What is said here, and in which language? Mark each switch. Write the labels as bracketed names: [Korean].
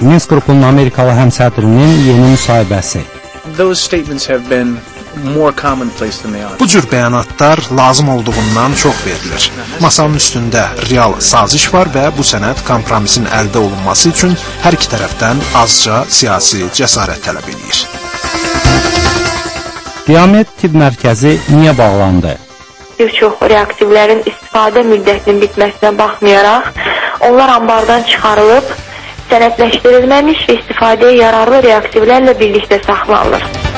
[Azerbaijani] Minsk qrupunun Amerikalı həmsədrinin yeni müsahibəsi. [English] Those statements have been more commonplace than they are. [Azerbaijani] Bu cür bəyanatlar lazım olduğundan çox verilir. Masanın üstündə real saziş var və bu sənəd kompromisin əldə olunması üçün hər iki tərəfdən azca siyasi cəsarət tələb edir. Diamet tibb mərkəzi niyə bağlandı? Bir çox reaktivlərin istifadə müddətinin bitməsinə baxmayaraq, onlar ambardan çıxarılıb, sənədləşdirilməmiş və istifadəyə yararlı reaktivlərlə birlikdə saxlanılır.